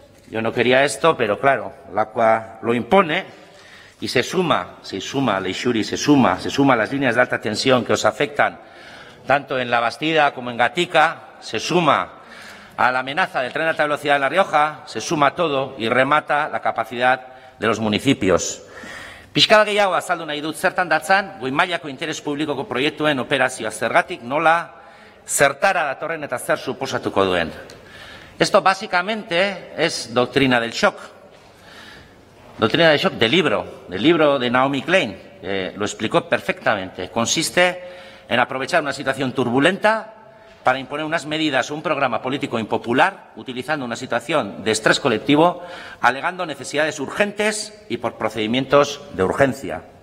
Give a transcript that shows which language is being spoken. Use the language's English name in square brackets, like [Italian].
[Spanish] Yo no quería esto, pero claro, Lakua lo impone y se suma a Leixuri, se suma a las líneas de alta tensión que os afectan tanto en La Bastida como en Gatica, se suma a la amenaza del tren de alta velocidad en La Rioja, se suma todo y remata la capacidad de los municipios. [Basque] Pixka bat gehiago azaldu nahi dut zertan datzan, goi mailako interes publikoko proiektuen operazioa zergatik, nola, zertara datorren eta zer suposatuko duen. [Spanish] Esto básicamente es doctrina del shock. Doctrina del shock del libro de Naomi Klein, lo explicó perfectamente. Consiste en aprovechar una situación turbulenta para imponer unas medidas o un programa político impopular, utilizando una situación de estrés colectivo, alegando necesidades urgentes y por procedimientos de urgencia.